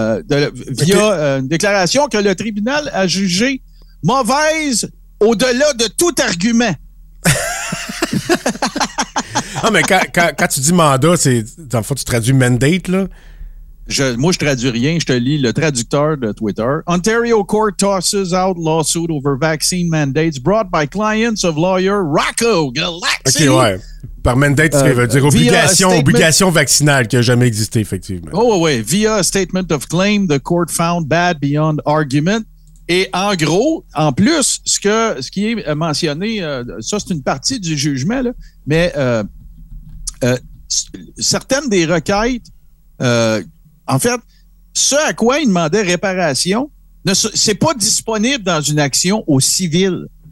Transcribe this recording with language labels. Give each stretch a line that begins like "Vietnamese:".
French: Une déclaration que le tribunal a jugé mauvaise au-delà de tout argument. Non, mais quand tu dis mandat, c'est dans le fond, tu traduis mandate, là? Je traduis rien, je te lis le traducteur de Twitter.
English: Ontario Court tosses out lawsuit over vaccine mandates brought by clients of lawyer Rocco Galaxy.
French: OK, ouais. Par mandate, ça veut dire obligation vaccinale qui n'a jamais existé, effectivement. Oh, oui.
English: Via a statement of claim, the court found bad beyond argument.
French: Et en gros, en plus, ce qui est mentionné, ça c'est une partie du jugement, là, mais certaines des requêtes, en fait, ce à quoi ils demandaient réparation, c'est pas disponible dans une action au civil.